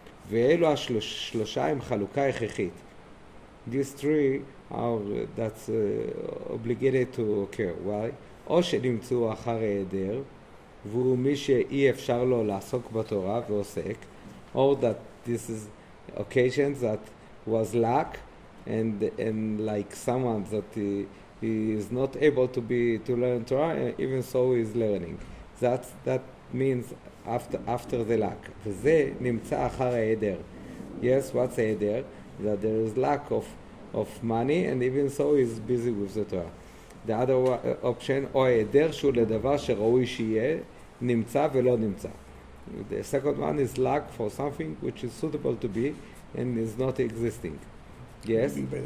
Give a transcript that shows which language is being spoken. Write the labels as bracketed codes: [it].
[he] ואלו השלושה הם חלוקה הכרחית. [en] These three that's obligated to occur. Why? [he] או שנמצאו אחר העדר, והוא מי שאי אפשר לו לעסוק בתורה ועוסק, [en] or that this is occasion that was lack, and like someone that he is not able to learn Torah, even so he is learning. That means after the lack. [he] וזה נמצא אחר העדר. [en] Yes, what's העדר? That there is lack of money, and even so he is busy with the Torah. The other option, [he] או העדר שהוא לדבר שראוי שיהיה, נמצא ולא נמצא. [en] The second one is lack for something which is suitable to be and is not existing. Yes?